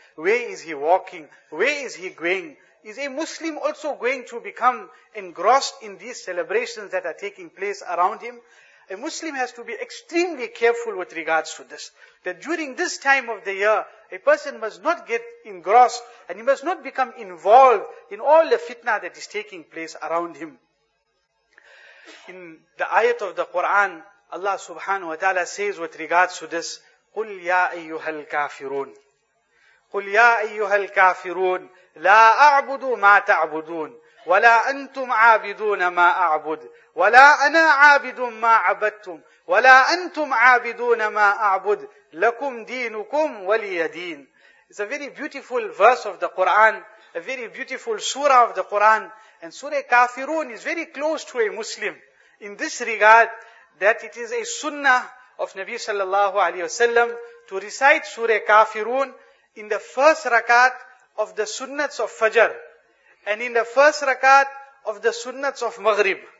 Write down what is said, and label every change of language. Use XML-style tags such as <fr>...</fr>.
<en>Where is he walking? Where is he going? Is a Muslim also going to become engrossed in these celebrations that are taking place around him? A Muslim has to be extremely careful with regards to this. That during this time of the year, a person must not get engrossed and he must not become involved in all the fitna that is taking place around him. In the ayat of the Quran, Allah subhanahu wa ta'ala says with regards to this,</en> <ar>قُلْ يَا أَيُّهَا الْكَافِرُونَ قُلْ يَا أَيُّهَا الْكَافِرُونَ لَا أَعْبُدُ مَا تَعْبُدُونَ وَلَا أَنْتُمْ عَابِدُونَ مَا أَعْبُدُ وَلَا أَنَا عَابِدٌ مَا عَبَدْتُمْ وَلَا أَنْتُمْ عَابِدُونَ مَا أَعْبُدُ لَكُمْ دِينُكُمْ وَلِيَ دِينِ.</ar> <en>It's a very beautiful verse of the Quran,</en> <ar>a very beautiful surah of the Quran.</ar> <en>And Surah Kafirun is very close to a Muslim in this regard, that it is a sunnah of Nabi sallallahu alayhi wa sallam to recite Surah Kafirun in the first rakat of the sunnats of Fajr and in the first rakat of the sunnats of Maghrib.</en>